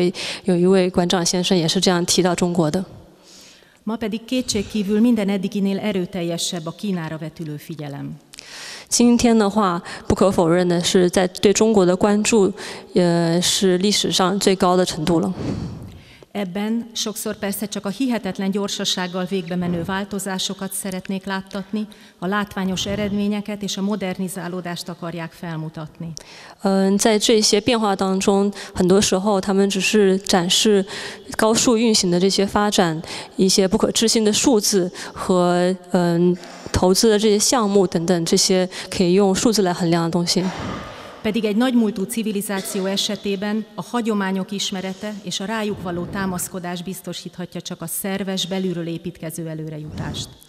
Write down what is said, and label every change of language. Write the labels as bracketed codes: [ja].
[zh] 他主要提到的就是另外一个这个东亚博物馆的展览的开幕式上，有一位馆长先生也是这样提到中国的。 [hu] Ma pedig kétségkívül minden eddiginél erőteljesebb a Kínára vetülő figyelem. [zh] 今天的话，不可否认的是，在对中国的关注，是历史上最高的程度了。 [hu] Ebben sokszor persze csak a hihetetlen gyorsasággal végbe menő változásokat szeretnék láttatni, a látványos eredményeket és a modernizálódást akarják felmutatni. [zh] 在这些变化当中，很多时候他们只是展示高速运行的这些发展，一些不可置信的数字和投资的这些项目等等，这些可以用数字来衡量的东西。 [hu] Pedig egy nagymúltú civilizáció esetében a hagyományok ismerete és a rájuk való támaszkodás biztosíthatja csak a szerves, belülről építkező előrejutást.